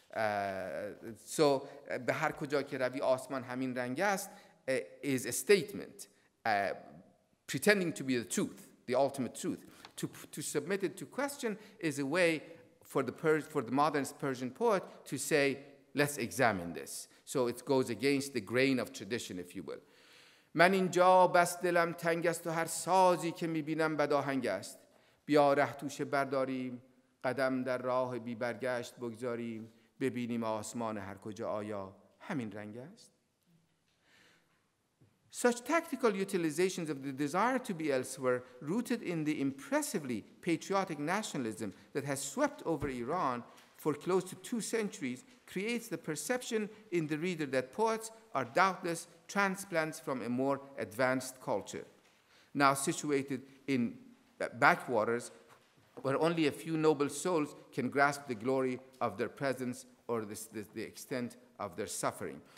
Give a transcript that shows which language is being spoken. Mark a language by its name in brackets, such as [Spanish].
[English] So Behar Kuja Kiravi Osman Hamin Rangast is a statement pretending to be the truth, the ultimate truth. To submit it to question is a way for the modernist Persian poet to say, let's examine this. So it goes against the grain of tradition, if you will. [Persian] من اینجا بس دلم تنگ است و هر سازی که میبینم بداهنگ است. بیا ره توش برداریم قدم در راه بی برگشت بگذاریم ببینیم آسمان هر کجا آیا همین رنگ است. [English] Such tactical utilizations of the desire to be elsewhere, rooted in the impressively patriotic nationalism that has swept over Iran for close to two centuries, creates the perception in the reader that poets are doubtless transplants from a more advanced culture, now situated in backwaters where only a few noble souls can grasp the glory of their presence or the extent of their suffering.